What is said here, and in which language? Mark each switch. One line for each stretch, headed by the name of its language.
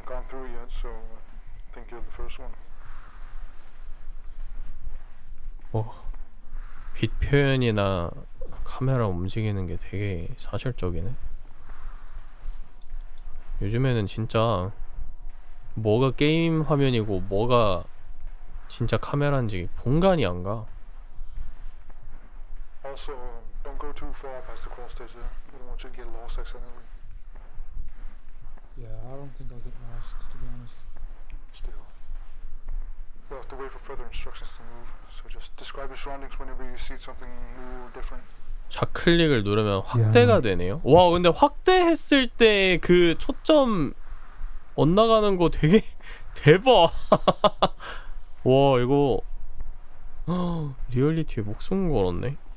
English: Through yet, so I think you're the first one.
Korean: 빛 표현이나 카메라 움직이는 게 되게 사실적이네. 요즘에는 진짜 뭐가 게임 화면이고 뭐가 진짜 카메라인지 분간이 안 가.
English: Also, don't go too far past the crawl stage there. You don't want you to get lost accidentally. Yeah, I don't think I'll get lost, to be honest. Still, we'll have to wait for further instructions to move. So just describe your surroundings whenever you see something new or different.
Korean: 좌클릭을 누르면
English: Yeah, I know.
Korean: 확대가 되네요. 와, 근데 확대했을 때그 초점 엇나가는 거 되게 대박. 와, 이거 리얼리티에 목숨 걸었네.